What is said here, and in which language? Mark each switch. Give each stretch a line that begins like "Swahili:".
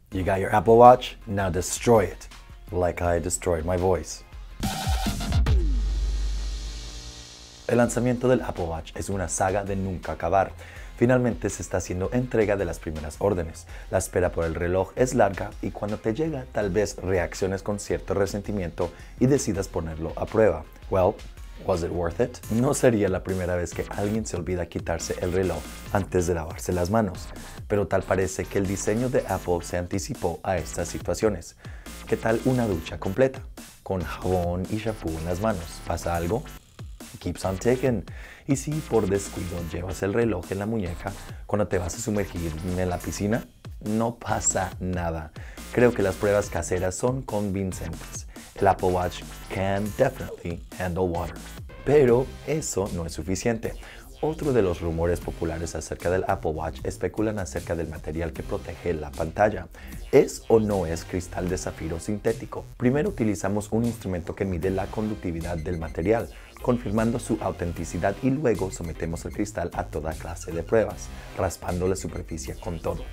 English: You got your Apple Watch, now destroy it, like I destroyed my voice.
Spanish: El lanzamiento del Apple Watch es una saga de nunca acabar. Finalmente se está haciendo entrega de las primeras órdenes. La espera por el reloj es larga y cuando te llega, tal vez reacciones con cierto resentimiento y decidas ponerlo a prueba.
English: Well, was it worth it?
Spanish: No sería la primera vez que alguien se olvida quitarse el reloj antes de lavarse las manos, pero tal parece que el diseño de Apple se anticipó a estas situaciones. ¿Qué tal una ducha completa? Con jabón y shampoo en las manos. ¿Pasa algo?
English: Keeps on ticking.
Spanish: Y si por descuido llevas el reloj en la muñeca cuando te vas a sumergir en la piscina, no pasa nada. Creo que las pruebas caseras son convincentes.
English: El Apple Watch can definitely handle water.
Spanish: Pero eso no es suficiente. Otro de los rumores populares acerca del Apple Watch especulan acerca del material que protege la pantalla. ¿Es o no es cristal de zafiro sintético? Primero utilizamos un instrumento que mide la conductividad del material, confirmando su autenticidad, y luego sometemos el cristal a toda clase de pruebas, raspando la superficie con todo.